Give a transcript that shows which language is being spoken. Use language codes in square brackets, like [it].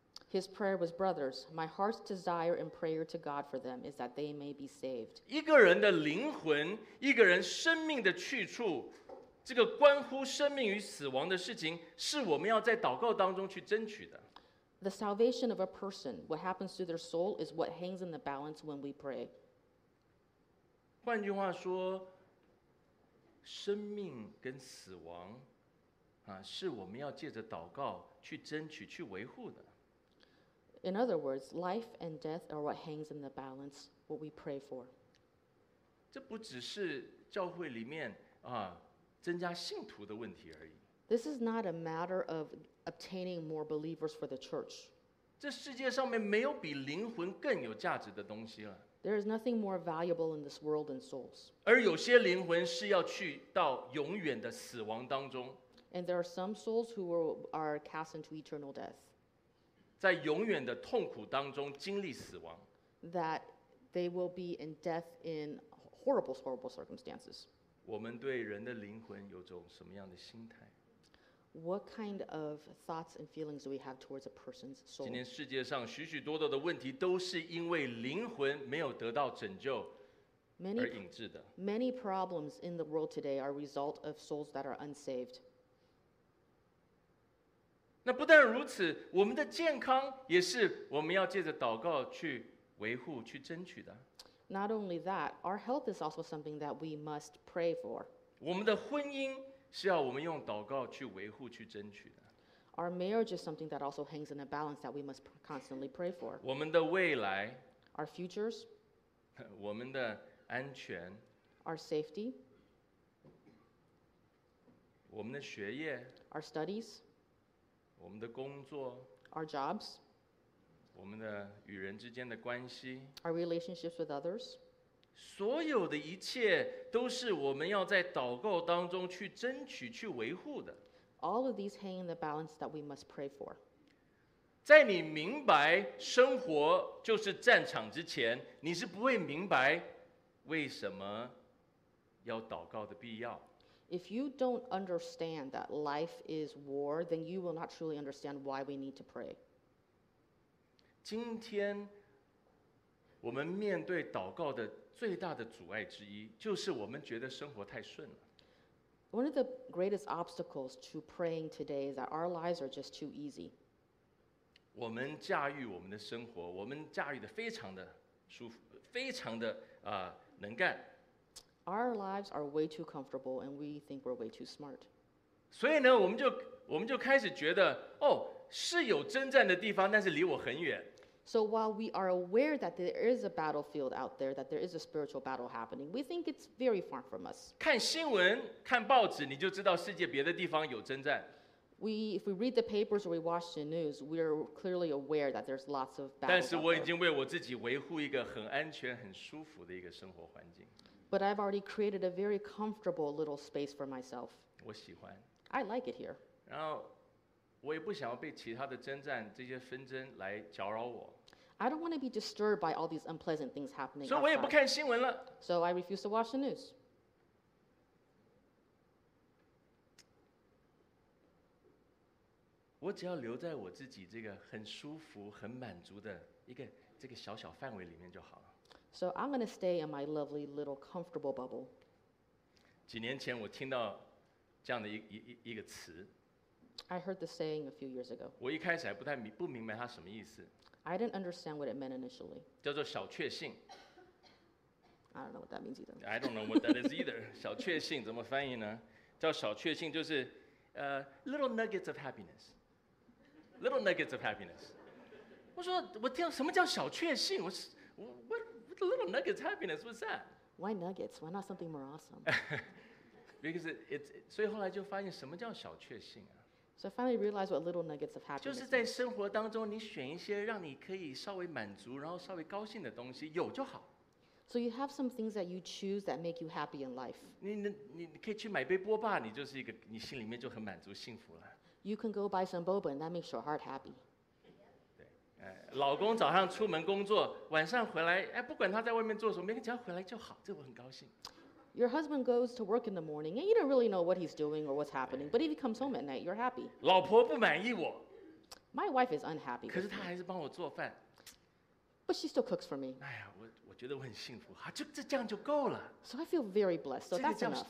[en] His prayer was, brothers, my heart's desire and prayer to God for them is that they may be saved. [zh] 一个人的灵魂，一个人生命的去处，这个关乎生命与死亡的事情，是我们要在祷告当中去争取的。 [en] The salvation of a person, what happens to their soul, is what hangs in the balance when we pray. [zh] 换句话说，生命跟死亡是我们要借着祷告去争取、去维护的。 [en] In other words, life and death are what hangs in the balance, what we pray for. [zh] 这不只是教会里面增加信徒的问题而已。 [en] This is not a matter of obtaining more believers for the church. [zh] 这世界上面没有比灵魂更有价值的东西了。 [en] There is nothing more valuable in this world than souls. [zh] 而有些灵魂是要去到永远的死亡当中。 [en] And there are some souls who are cast into eternal death. [zh] 在永远的痛苦当中经历死亡。 [en] That they will be in death in horrible, horrible circumstances. [zh] 我们对人的灵魂有种什么样的心态？ [en] What kind of thoughts and feelings do we have towards a person's soul? [zh] 今天世界上许许多多的问题都是因为灵魂没有得到拯救。 [en] Many problems in the world today are a result of souls that are unsaved. [zh] 那不但如此，我们的健康也是我们要借着祷告去维护、去争取的。 [en] Not only that, our health is also something that we must pray for. [zh] 我们的婚姻是要我们用祷告去维护、去争取的。 [en] Our marriage is something that also hangs in a balance that we must constantly pray for. [zh] 我们的未来 [en] ，our futures， [zh] 我们的安全 [en] ，our safety， [zh] 我们的学业 [en] ，our studies。 [zh] 我们的工作 [en] ，our jobs， [zh] 我们的与人之间的关系 [en] ，our relationships with others， [zh] 所有的一切都是我们要在祷告当中去争取、去维护的。 [en] All of these hang in the balance that we must pray for。 [zh] 在你明白生活就是战场之前，你是不会明白为什么要祷告的必要。 [en] If you don't understand that life is war, then you will not truly understand why we need to pray. [zh] 今天我们面对祷告的最大的阻碍之一，就是我们觉得生活太顺了。 [en] One of the greatest obstacles to praying today is that our lives are just too easy. [zh] 我们驾驭我们的生活，我们驾驭的非常的舒服，非常的能干。 [en] Our lives are way too comfortable, and we think we're way too smart. [zh] 所以呢，我们就开始觉得，哦，是有征战的地方，但是离我很远。 [en] So while we are aware that there is a battlefield out there, that there is a spiritual battle happening, we think it's very far from us. [zh] 看新闻，看报纸，你就知道世界别的地方有征战。 [en] If we read the papers or we watch the news, we are clearly aware that there's lots of battles. [zh] 但是我已经为我自己维护一个很安全、很舒服的一个生活环境。 [en] But I've already created a very comfortable little space for myself. [zh] 我喜欢。 [en] I like it here. [zh] 然后我也不想要被其他的征战、这些纷争来搅扰我。 [en] I don't want to be disturbed by all these unpleasant things happening. [zh] 所以我也不看新闻了。 [en] So I refuse to watch the news. [zh] 我只要留在我自己这个很舒服、很满足的一个这个小小范围里面就好了。 [en] So I'm going to stay in my lovely little comfortable bubble. [zh] 几年前我听到这样的一个词。 [en] I heard the saying a few years ago. [zh] 我一开始还不明白它什么意思。 [en] I didn't understand what it meant initially. [zh] 叫做小确幸。 [en] I don't know what that means either. I don't know what that is either. [zh] 小确幸怎么翻译呢？叫小确幸就是 [en] little nuggets of happiness. Little nuggets of happiness. [zh] 我说我听什么叫小确幸？ [en] What little nuggets of happiness was that? Why nuggets? Why not something more awesome? Because it's [zh] 所以后来就发现什么叫小确幸啊。 [en] So I finally realized what little nuggets of happiness. [zh] 就是在生活当中，你选一些让你可以稍微满足，然后稍微高兴的东西，有就好。 [en] So you have some things that you choose that make you happy in life. [zh] 你可以去买杯波霸，你就是一个你心里面就很满足幸福了。 [en] You can go buy some boba, and that makes your heart happy. [zh] 对，老公早上出门工作，晚上回来，哎，不管他在外面做什么，每天只要回来就好，这我很高兴。 [en] Your husband goes to work in the morning, and you don't really know what he's doing or what's happening. But if he comes home at night, you're happy. [zh] 老婆不满意我。 [en] My wife is unhappy. [zh] 可是她还是帮我做饭。 [en] But she still cooks for me. [zh] 哎呀，我觉得我很幸福，就这样就够了。 [en] So I feel very blessed. So that's enough.